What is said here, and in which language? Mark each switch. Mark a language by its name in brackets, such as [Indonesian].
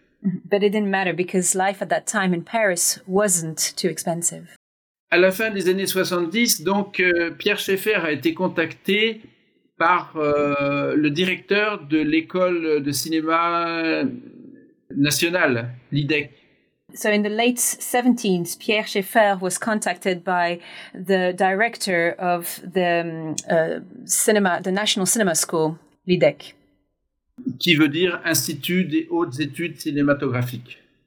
[English] But it didn't matter because life at that time in Paris wasn't too expensive. [French] À la fin des années 70, donc Pierre Schaeffer a été contacté par le directeur de l'école de cinéma nationale, l'IDEC. [English] So in the late 70s, Pierre Schaeffer was contacted by the director of the cinema, the National Cinema School, l'IDEC. [French] Qui veut dire Institut des Hautes Études Cinématographiques.